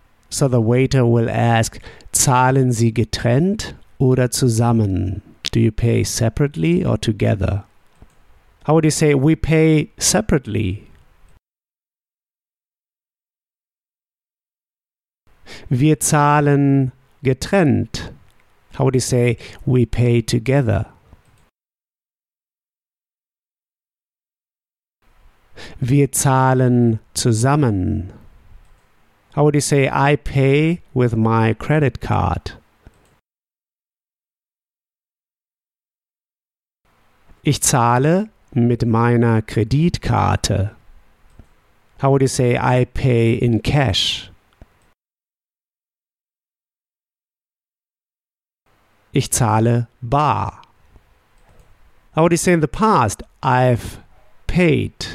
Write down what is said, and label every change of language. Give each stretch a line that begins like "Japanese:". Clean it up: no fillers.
English: So the waiter will ask,
German: zahlen Sie getrennt oder zusammen?
English: Do you pay separately or together? How would you say, we pay separately?
German: Wir zahlen getrennt.
English: How would you say, we pay together?
German: Wir zahlen zusammen.
English: How would you say, I pay with my credit card?
German: Ich zahle mit meiner Kreditkarte.
English: How would you say, I pay in cash?
German: Ich zahle bar.
English: How would you say in the past? I've paid.